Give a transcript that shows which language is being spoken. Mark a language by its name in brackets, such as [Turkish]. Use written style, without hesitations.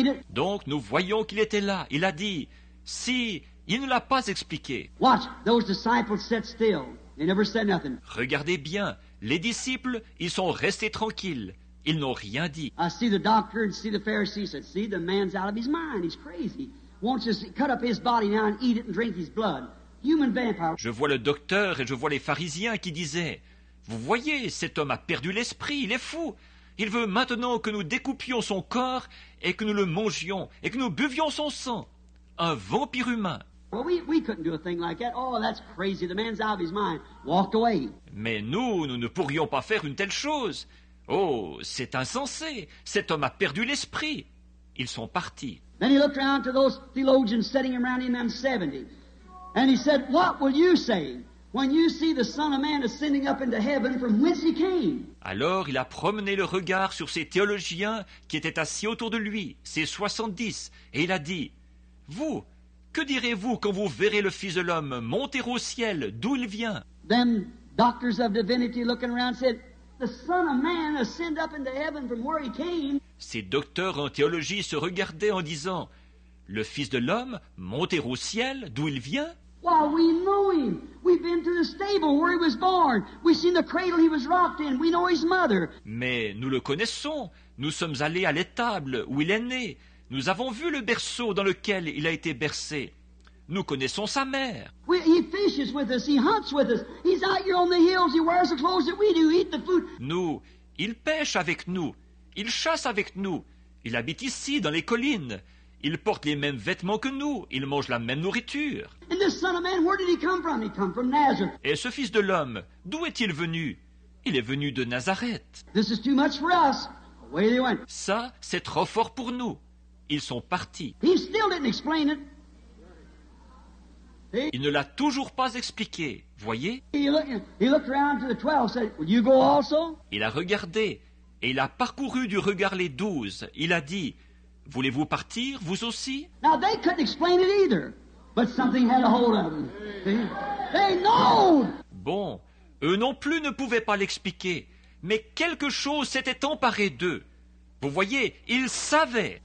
[French] Donc, nous voyons qu'il était là. Il a dit, si, il ne l'a pas expliqué. [English] Watch, those disciples sat still. They never said nothing. [French] Regardez bien, les disciples, ils sont restés tranquilles. Ils n'ont rien dit. [English] I see the doctor and see the Pharisees said, see, the man's out of his mind, he's crazy. Won't you cut up his body now and eat it and drink his blood? Human vampire. [French] Je vois le docteur et je vois les pharisiens qui disaient, vous voyez, cet homme a perdu l'esprit, il est fou. Il veut maintenant que nous découpions son corps et que nous le mangions et que nous buvions son sang. Un vampire humain. [English] Well, we couldn't do a thing like that. Oh, that's crazy. The man's out of his mind. Walk away. [French] Mais nous ne pourrions pas faire une telle chose. Oh, c'est insensé. Cet homme a perdu l'esprit. Ils sont partis. [English] Then he looked around to those theologians sitting around him, them 70. And he said, what will you say when you see the Son of Man ascending up into heaven from whence he came? [French] Alors il a promené le regard sur ces théologiens qui étaient assis autour de lui, ces 70, et il a dit, vous, que direz-vous quand vous verrez le Fils de l'homme monter au ciel d'où il vient? [English] Then doctors of divinity looking around said, the Son of Man ascend up into heaven from where he came. [French] Ces docteurs en théologie se regardaient en disant, le Fils de l'homme monter au ciel d'où il vient? [English] Why, we know him. We've been to the stable where he was born. We've seen the cradle he was rocked in. We know his mother. [French] Mais nous le connaissons. Nous sommes allés à l'étable où il est né. Nous avons vu le berceau dans lequel il a été bercé. Nous connaissons sa mère. [English] He fishes with us. He hunts with us. He's out here on the hills. He wears the clothes that we do. He eats the food. [French] Nous, il pêche avec nous. Il chasse avec nous. Il habite ici dans les collines. Il porte les mêmes vêtements que nous. Il mange la même nourriture. [English] And the Son of Man, where did he come from? He come from Nazareth. [French] Et ce Fils de l'homme, d'où est-il venu? Il est venu de Nazareth. [English] This is too much for us. Away they went. [French] Ça, c'est trop fort pour nous. Ils sont partis. [English] He still didn't explain it. See? [French] Il ne l'a toujours pas expliqué, voyez? [English] He looked around to the 12 and said, will you go also? [French] Il a regardé et il a parcouru du regard les 12. Il a dit, voulez-vous partir, vous aussi? [English] Now they couldn't explain it either, but something had a hold of them. They know. [French] Bon, eux non plus ne pouvaient pas l'expliquer, mais quelque chose s'était emparé d'eux. Vous voyez, ils savaient.